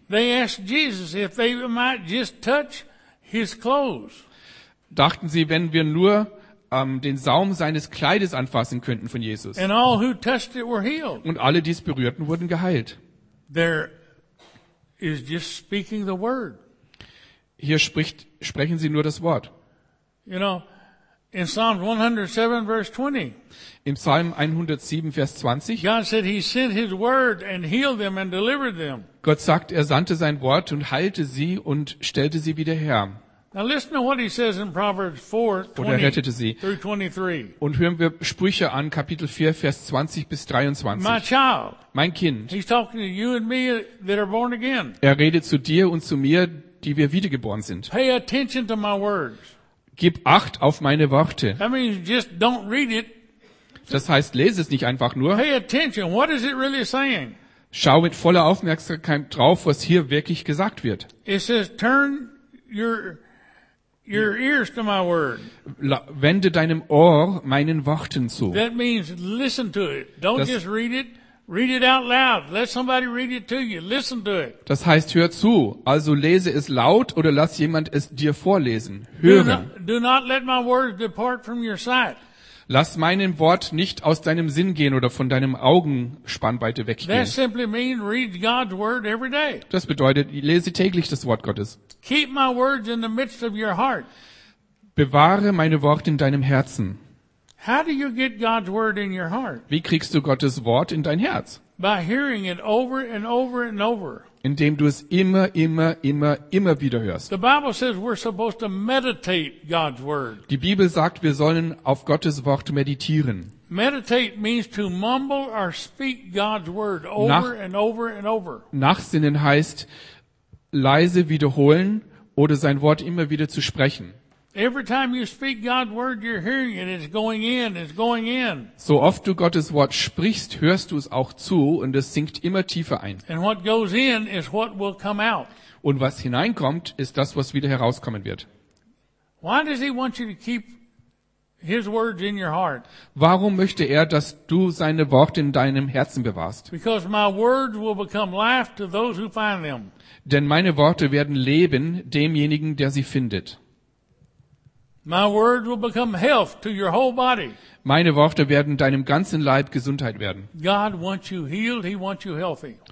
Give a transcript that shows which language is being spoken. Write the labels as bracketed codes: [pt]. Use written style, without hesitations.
[en] they asked Jesus if they might just touch his clothes. [de] Dachten sie, wenn wir nur den Saum seines Kleides anfassen könnten von Jesus. [en] And all who touched it were healed. [de] Und alle, die es berührten, wurden geheilt. [en] There is just speaking the word. [de] Hier sprechen sie nur das Wort. [en] You know, in Psalm 107, verse 20, [de] im Psalm 107, Vers 20, [en] God said he sent his word and healed them and delivered them. [de] Gott sagt, er sandte sein Wort und heilte sie und stellte sie wieder her. [en] Now listen to what he says in Proverbs 4:20-23. [de] Und hören wir Sprüche an, Kapitel 4, Vers 20 bis 23. [en] My child, [de] mein Kind. [en] He's talking to you and me that are born again. [de] Er redet zu dir und zu mir, die wir wiedergeboren sind. [en] Pay attention to my words. [de] Gib Acht auf meine Worte. [en] I mean, just don't read it. [de] Das heißt, lese es nicht einfach nur. [en] Pay attention. What is it really saying? [de] Schau mit voller Aufmerksamkeit drauf, was hier wirklich gesagt wird. [en] It says, turn your ears to my word. [de] Wende deinem Ohr meinen Worten zu. [en] That means listen to it. Don't just read it. Read it out loud. Let somebody read it to you. Listen to it. [de] Das heißt, hör zu. Also lese es laut oder lass jemand es dir vorlesen. Hören. [en] Do not let my words depart from your sight. [de] Lass meinem Wort nicht aus deinem Sinn gehen oder von deinem Augenspannweite weggehen. [en] That simply means read God's word every day. [de] Das bedeutet, lese täglich das Wort Gottes. [en] Keep my words in the midst of your heart. [de] Bewahre meine Worte in deinem Herzen. [en] How do you get God's word in your heart? [de] Wie kriegst du Gottes Wort in dein Herz? [en] By hearing it over and over and over. [de] Indem du es immer, immer, immer, immer wieder hörst. [en] The Bible says we're supposed to meditate God's word. [de] Die Bibel sagt, wir sollen auf Gottes Wort meditieren. [en] Meditate means to mumble or speak God's word over and over and over. [de] Nachsinnen heißt, leise wiederholen oder sein Wort immer wieder zu sprechen. [en] Every time you speak God's word, you're hearing it. It's going in. It's going in. [de] So oft du Gottes Wort sprichst, hörst du es auch zu und es sinkt immer tiefer ein. [en] And what goes in is what will come out. [de] Und was hineinkommt, ist das, was wieder herauskommen wird. [en] Why does he want you to keep his words in your heart? [de] Warum möchte er, dass du seine Worte in deinem Herzen bewahrst? [en] Because my words will become life to those who find them. [de] Denn meine Worte werden Leben demjenigen, der sie findet. [en] My words will become health to your whole body. [de] Meine Worte werden deinem ganzen Leib Gesundheit werden. [en] God wants you healed, he wants you healthy.